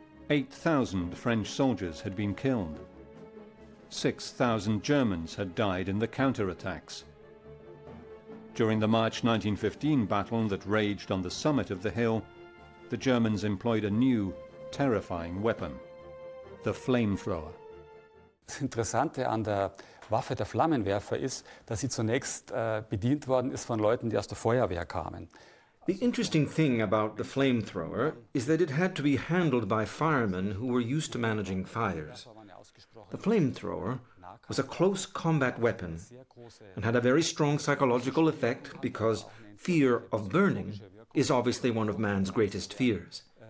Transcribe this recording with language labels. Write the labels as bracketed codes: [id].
[en] 8,000 French soldiers had been killed. 6,000 Germans had died in the counterattacks. During the March 1915 battle that raged on the summit of the hill, the Germans employed a new, terrifying weapon, the flamethrower. [de] Das Interessante an der Waffe der Flammenwerfer ist, dass sie zunächst bedient worden ist von Leuten, die aus der Feuerwehr kamen. [en] The interesting thing about the flamethrower is that it had to be handled by firemen who were used to managing fires. The flamethrower was a close combat weapon and had a very strong psychological effect because fear of burning is obviously one of man's greatest fears.